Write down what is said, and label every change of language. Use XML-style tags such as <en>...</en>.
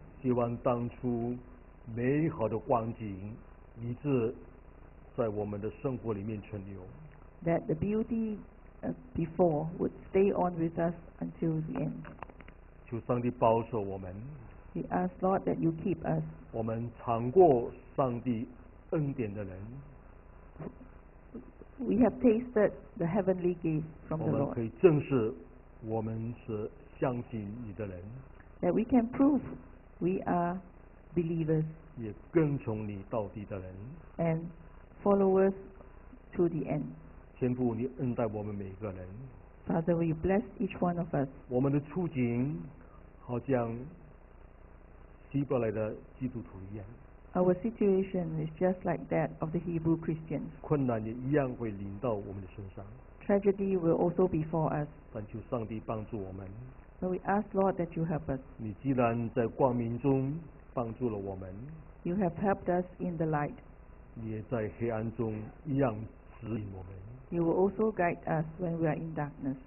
<zh>希望当初美好的光景一直在我们的生活里面存留。</zh> <en>That the beauty before would stay on with us until the end.</en> <zh>求上帝保守我们。</zh> <en>We ask Lord that you keep us.</en> <zh>我们尝过上帝恩典的人。</zh> <en>We have tasted the heavenly gift from the Lord.</en> <zh>我们可以证实我们是相信你的人。</zh> <en>That we can prove we are believers.</en> <zh>也跟从你到底的人。</zh> <en>And followers to the end.</en> <zh>天父，你恩待我们每个人。</zh> <en>Father, we bless each one of us.</en> <zh>我们的处境好像希伯来的基督徒一样。</zh> <en>Our situation is just like that of the Hebrew Christians.</en> <zh>困难也一样会临到我们的身上。</zh> <en>Tragedy will also befall us.</en> <zh>但求上帝帮助我们。</zh> <en>But we ask Lord that you help us.</en> <zh>你既然在光明中帮助了我们。</zh> <en>You have helped us in the light.</en> <zh>你也在黑暗中一样指引我们。</zh> <en>You will also guide us when we are in darkness.</en>